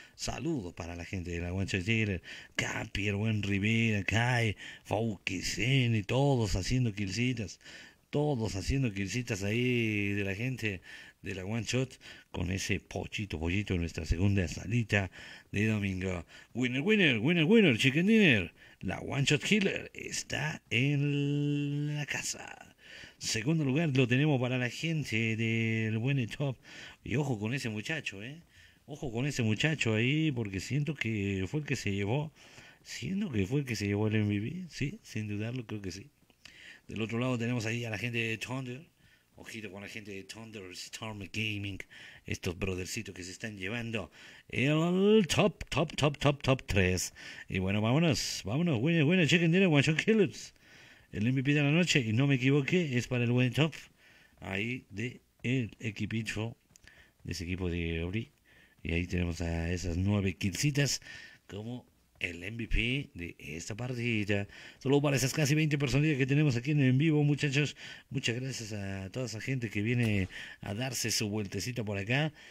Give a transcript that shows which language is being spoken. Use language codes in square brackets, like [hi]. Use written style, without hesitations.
[es] Saludos para la gente de la One Shot Killer. Capi, el buen Rivera, Kai, Fouquicen y todos haciendo killcitas. Todos haciendo killcitas ahí de la gente de la One Shot con ese pollito, pollito en nuestra segunda salita de domingo. [en] Winner, winner, winner, winner, chicken dinner. [es] La One Shot Killer está en la casa. Segundo lugar lo tenemos para la gente del buen Top. Y ojo con ese muchacho, ¿eh? Ojo con ese muchacho ahí porque siento que fue el que se llevó. Siento que fue el que se llevó el MVP. Sí, sin dudarlo, creo que sí. Del otro lado tenemos ahí a la gente de Thunder. Ojito con la gente de Thunder Storm Gaming. Estos brothercitos que se están llevando el top, top, top, top, top 3. Y bueno, vámonos, vámonos. [en] Winner, winner, chicken dinner, one shot killers. [es] El MVP de la noche, y no me equivoqué, es para el buen Top. Ahí de el equipito, de ese equipo de Obri. Y ahí tenemos a esas 9 killcitas como el MVP de esta partida. Solo para esas casi 20 personas que tenemos aquí en vivo, muchachos. Muchas gracias a toda esa gente que viene a darse su vueltecita por acá.